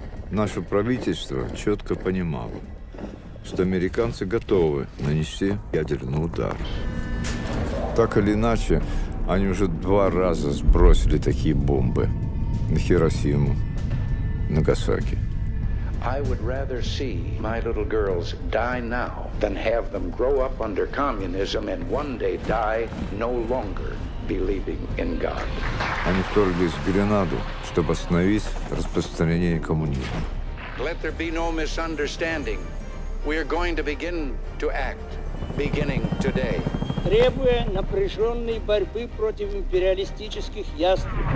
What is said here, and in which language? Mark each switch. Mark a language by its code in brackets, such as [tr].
[ru] Наше правительство четко понимало, что американцы готовы нанести ядерный удар. Так или иначе, они уже два раза сбросили такие бомбы на Хиросиму, Нагасаки. [en] I would rather see my little girls die now than have them grow up under communism and one day die no longer believing in God. [ru] Они вторглись в Гренаду, чтобы остановить распространение коммунизма. [en] Let there be no misunderstanding. We are going to begin to act, beginning today. [ru] Требуя напряженной борьбы против империалистических яств.